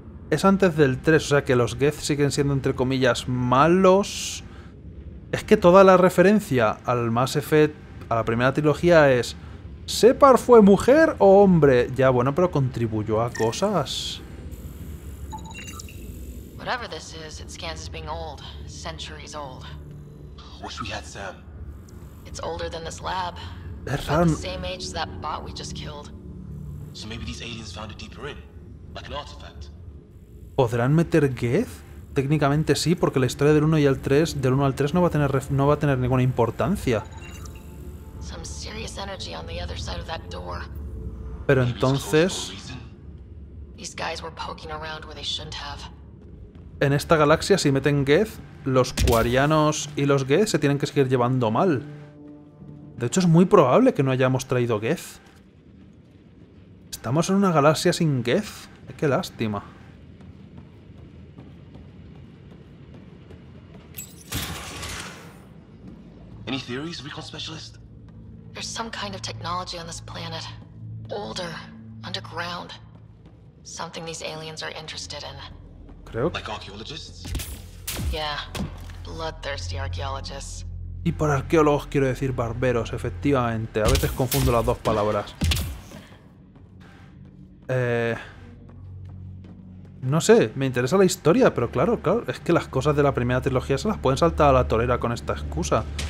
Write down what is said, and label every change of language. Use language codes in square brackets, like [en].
[es] Es antes del 3, o sea que los Geth siguen siendo, entre comillas, malos. Es que toda la referencia al Mass Effect, a la primera trilogía, es... ¿Separ fue mujer o hombre? Ya, bueno, pero contribuyó a cosas. [en] Whatever this is, it scans as being old. Centuries old. Wish we had Sam. It's older than this lab. That's about the same age as that bot we just killed. So maybe these aliens found it deeper in. Like an artifact. [es] ¿Podrán meter Geth? Técnicamente sí, porque la historia del 1 y el 3, del 1 al 3 no va a tener ninguna importancia. [en] Some serious energy on the other side of that door. [es] Pero entonces... [en] These guys were poking around where they shouldn't have. [es] En esta galaxia, si meten Geth, los Quarianos y los Geth se tienen que seguir llevando mal. De hecho, es muy probable que no hayamos traído Geth. ¿Estamos en una galaxia sin Geth? ¡Qué lástima! [en] Any theories, recall specialist? There's some kind of technology on this planet. Older, underground. Something these aliens are interested in. [es] Creo. [en] Like archaeologists? Yeah. Bloodthirsty archaeologists. [es] Y por arqueólogos quiero decir barberos, efectivamente. A veces confundo las dos palabras. No sé, me interesa la historia, pero claro, es que las cosas de la primera trilogía se las pueden saltar a la torera con esta excusa.